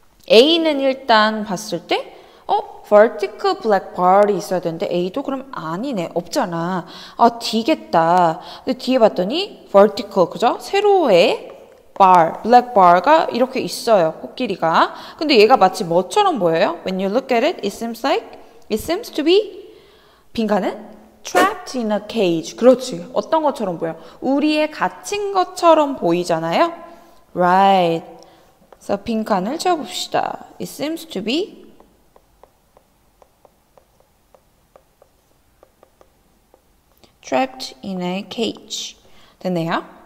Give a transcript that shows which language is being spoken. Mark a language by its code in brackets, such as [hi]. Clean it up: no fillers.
[ko] A는 일단 봤을 때 vertical black bar이 있어야 되는데 A도 그럼 아니네. 없잖아. D겠다. 근데 뒤에 봤더니 vertical, 그죠? 세로의 bar, black bar가 이렇게 있어요. 코끼리가. 근데 얘가 마치 뭐처럼 보여요? [en] When you look at it, it seems like, it seems to be [ko] 빈칸은? [en] Trapped in a cage. [ko] 그렇지. 어떤 것처럼 보여? 우리의 갇힌 것처럼 보이잖아요. [en] Right. [ko] So 빈칸을 채워봅시다. [en] It seems to be. 트랩드 인 어 케이지 됐네요.